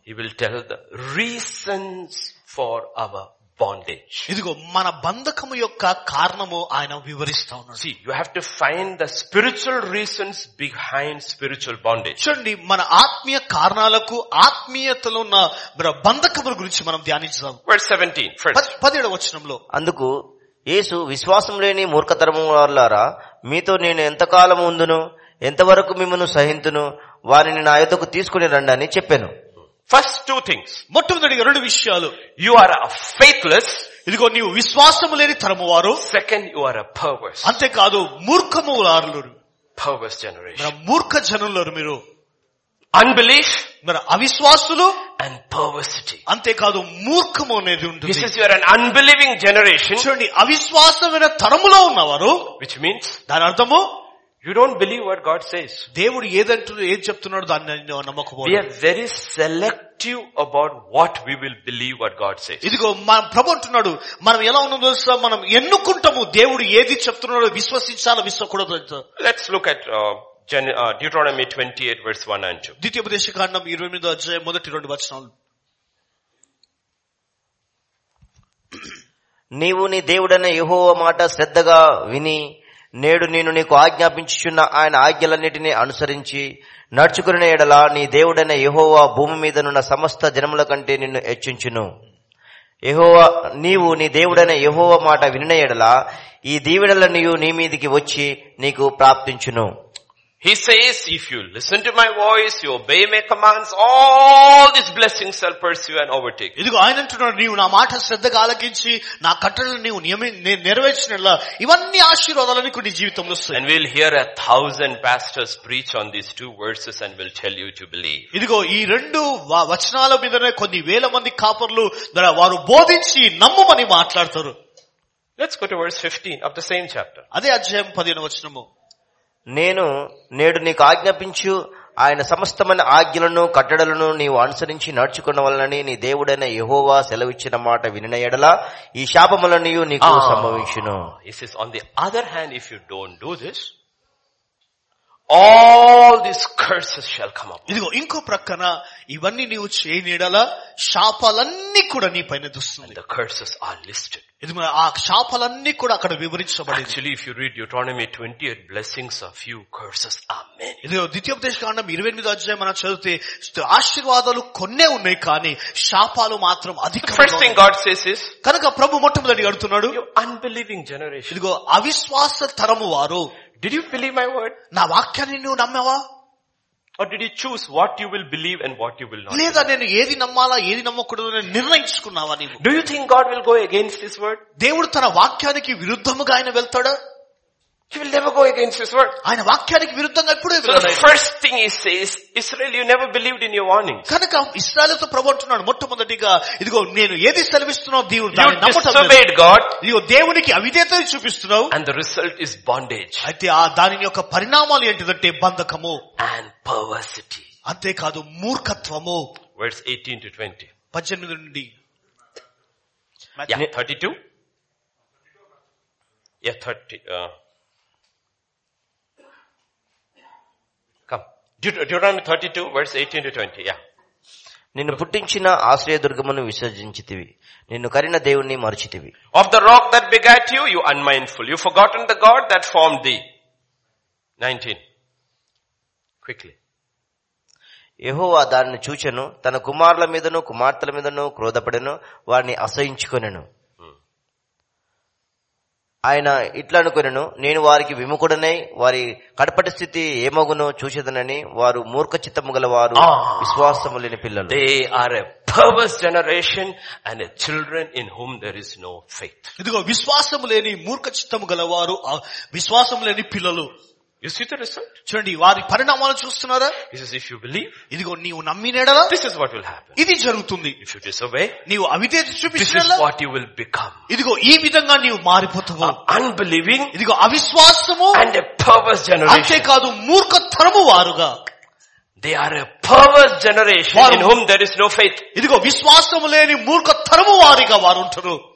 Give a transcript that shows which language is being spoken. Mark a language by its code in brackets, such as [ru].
[en] He will tell the reasons for our bondage. [te] ఇదిగో మన బంధకము యొక్క కారణము ఆయన వివరిస్తా ఉన్నాడు. [en] See, you have to find the spiritual reasons behind spiritual bondage. [te] చూడండి, మన ఆత్మీయ కారణాలకు ఆత్మీయతలో ఉన్న మన బంధకముల గురించి మనం ధ్యానిద్దాం. [en] Verse 17. First. [te] 17వ వచనంలో అందుకు యేసు, విశ్వాసం లేని మూర్ఖతరము వారలారా, మీతో నేను ఎంతకాలం ఉందును, ఎంతవరకు మిమ్మను సహింతును, వారిని నా యొద్దకు తీసుకుని రండి అని చెప్పాను. [en] First two things. [te] మొట్టమొదటిగా రెండు విషయాలు. [en] You are a faithless. [te] ఇదిగో నీవు విశ్వాసము లేని తరము వారు. [en] Second, you are a perverse. [te] అంతేకాదు మూర్ఖములారులు. [en] Perverse generation. [te] మరి మూర్ఖ జనులారు మీరు. [en] Unbelief. [te] మరి అవిశ్వాసులు. [en] And perversity. [te] అంతేకాదు మూర్ఖము అనేది ఉంటుంది. [en] This is, you are an unbelieving generation. [te] చూడండి, అవిశ్వాసమైన తరములో ఉన్నవారు. [en] Which means, [te] దాని అర్థము, [en] you don't believe what God says. [te] దేవుడు ఏదంటున్నాడో ఏం చెప్తున్నాడో దాన్ని నమ్మకపోవడం. [en] We are very selective about what we will believe what God says. [te] ఇదిగో మన ప్రభు అంటున్నాడు, మనం ఎలా ఉన్నదో మనం ఎన్నుకుంటాము. దేవుడు ఏది చెప్తున్నాడో విశ్వసించాలా విశ్వకూడదు. [en] Let's look at Deuteronomy 28 verse 1 and 2. [te] ద్వితీయ ఉపదేశ కాండం 28వ అధ్యాయం మొదటి రెండు వచనాలు. నీవు నీ దేవుడైన యెహోవా మాట శ్రద్ధగా విని నేడు నేను నీకు ఆజ్ఞాపించుచున్న ఆయన ఆజ్ఞలన్నిటినీ అనుసరించి నడుచుకుని ఎడల నీ దేవుడైన యెహోవా భూమి మీద నున్న సమస్త జనముల కంటే నిన్ను హెచ్చించును. యెహోవా నీవు నీ దేవుడైన యెహోవా మాట వినిన ఎడల ఈ దీవెనలన్నీ నీ మీదికి వచ్చి నీకు ప్రాప్తించును. [en] He says, if you listen to my voice, you obey my commands, all these blessings shall pursue and overtake. [te] ఇది గాయన అంటున్నాడు, నీవు నా మాట శ్రద్ధగా ఆలకించి నా కట్టడలు నీవు నెరవేర్చినట్ల ఇవన్నీ ఆశీర్వాదాలని కొన్ని జీవితంలో వస్తాయి. [en] And we'll hear a thousand pastors preach on these two verses and will tell you to believe. [te] ఇదిగో ఈ రెండు వచనాల మీదనే కొన్ని వేల మంది కాపర్లు వారు బోధించి నమ్మమని మాట్లాడతారు. [en] Let's go to verse 15 of the same chapter. [te] అదే అధ్యాయం 15వ వచనము. నేను నేడు నీకు ఆజ్ఞాపించు ఆయన సమస్తమైన ఆజ్ఞలను కట్టడలను నీవు అనుసరించి నడుచుకున్న వలనని నీ దేవుడైన యెహోవా సెలవిచ్చిన మాట వినిన ఎడల ఈ శాపములన్నీ నీకు సంభవించును. [en] This is on the other hand, if you don't do this, all these curses shall come up. [te] ఇదిగో ఇంకో ప్రక్కన ఇవన్నీ నీవు చేయని ఎడల శాపాలన్నీ కూడా నీ పైన దుస్తుంది. [en] The curses are listed. [te] ఆ శాపాలన్నీ కూడా అక్కడ వివరించబడి. [en] Actually, if you read Deuteronomy 28, blessings are few, curses are many. [te] ఇదిగో ద్వితీయ ఉపదేశ కాండం 28వ అధ్యాయం మనం చదివితే ఆశీర్వాదాలు కొన్నే ఉన్నాయి కానీ శాపాలు మాత్రం అధికం. [en] First thing God says is, [te] కనుక ప్రభు మొట్టమొదటి అడుగుతున్నాడు, [en] unbelieving generation. [te] ఇదిగో అవిశ్వాస తరము వారు, [en] did you believe my word? [te] నా వాక్యాన్ని నువ్వు నమ్మావా? [en] Or did he choose what you will believe and what you will not? [te] లేదా నేను ఏది నమ్మాలా ఏది నమ్మకూడదు అని నిర్ణయించుకున్నావా నీవు? [en] Do you think God will go against his word? [te] దేవుడు తన వాక్యానికి విరుద్ధముగా ఆయన వెళ్తాడా? [en] He will never go against his word. [te] ఆయన వాక్యానికి విరుద్ధంగా ఎప్పుడూ వెళ్ళడు. [en] So the first thing he says, Israel, you never believed in your warnings. [te] కనుక ఇశ్రాయేలుతో ప్రభువు అంటున్నాడు మొట్టమొదటిగా, ఇదిగో నేను ఏది సెలవిస్తున్నా దేవుడు దాన్ని నమ్మటలేదు. [en] You disobeyed God. [te] ఇదిగో దేవునికి అవిధేయత చూపిస్తున్నావు. [en] And the result is bondage. [te] అయితే ఆ దానిని యొక్క పరిణామాలు ఏంటిదంటే బంధకము. [en] And perversity. [te] అంతే కాదు మూర్ఖత్వము. [en] Verse 18 to 20. [te] 18 నుండి [en] 32. Yeah, 30. Deuteronomy 32 verse 18 to 20. Yeah. [te] నిన్ను పుట్టించిన ఆశ్రయదుర్గమును విసర్జించితివి, నిన్ను కరిన దేవుని మరచితివి. [en] Of the rock that begat you, you unmindful, you forgotten the God that formed thee. 19. Quickly. [te] యెహోవా దానిని చూచెను, తన కుమారుల మీదను కుమార్తెల మీదను క్రోధపడెను, వారిని అసహించుకొనెను. ఆయన ఇట్లా అనుకునేను, నేను వారికి విముఖుడనై వారి కడపటి స్థితి ఏమగును చూసేదనని, వారు మూర్ఖ చిత్తము గల వారు, విశ్వాసము లేని పిల్లలు. [en] They are a perverse generation and a children in home there is no faith. [te] ఇదిగో విశ్వాసము లేని మూర్ఖ చిత్తము గల వారు, విశ్వాసము లేని పిల్లలు. [en] You see the result? [te] చూడండి వారి పరిణామాలు చూస్తున్నారా? [en] This is if you believe. [te] ఇదిగో నీవు నమ్మినేడల. [en] This is what will happen. [te] ఇది జరుగుతుంది. [en] If you disobey. [te] నీవు అవిధేయత చూపించినా. [en] This is what you will become. [te] ఇదిగో ఈ విధంగా నీవు మారిపోతావు. [en] Unbelieving. [te] ఇదిగో అవిశ్వాసము. [en] And a perverse generation. [te] అంతే కాదు మూర్ఖ తరము వారుగా. [en] They are a perverse generation in whom there is no faith. [te] ఇదిగో విశ్వాసము లేని మూర్ఖ తరము వారిగా వారు ఉంటారు.